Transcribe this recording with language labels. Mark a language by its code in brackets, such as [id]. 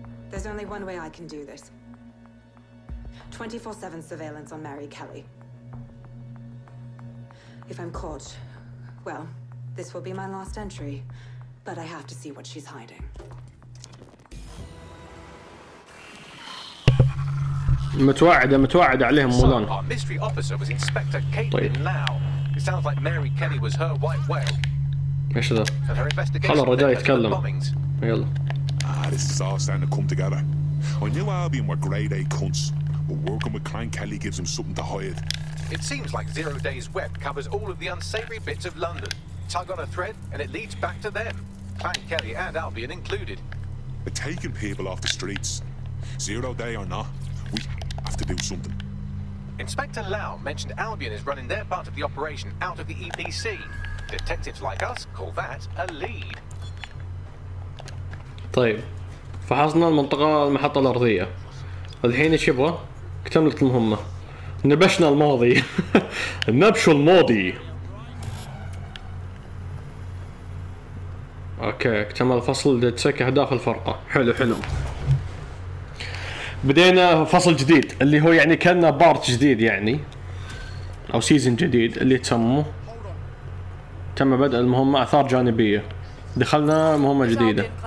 [en] There's only one way I can do this. 24/7 surveillance on Mary Kelly. If I'm caught, well, this will be my last entry, but I have to see what she's hiding. [ar] متوعدة متوعدة عليهم مولان. [en] Our mystery officer was Inspector Caitlin Lau. It sounds like Mary Kelly was her white whale. [ar] إيش ذا؟ خلا الرجال يتكلم. يلا. [en] Ah, this is all starting to come together. I knew Albion were grade A cunts, but working with Clan Kelly gives him something to hide. It seems like Zero Day's web covers all of the unsavory bits of London. Tug on a thread and it leads back to them. Clan Kelly and Albion included. They're taking people off the streets. Zero Day or not, we have to do something. Inspector Lau mentioned Albion is running their part of the operation out of the EPC. Detectives like us call that a lead. [ar] طيب فحصنا المنطقة المحطة الأرضية الحين ايش يبغى؟ اكتملت المهمة نبشنا الماضي نبش الماضي اوكي اكتمل فصل لتسك اهداف الفرقة حلو حلو بدينا فصل جديد اللي هو يعني كان بارت جديد يعني او سيزن جديد اللي تسموه تم بدء المهمة اثار جانبية دخلنا مهمة جديدة.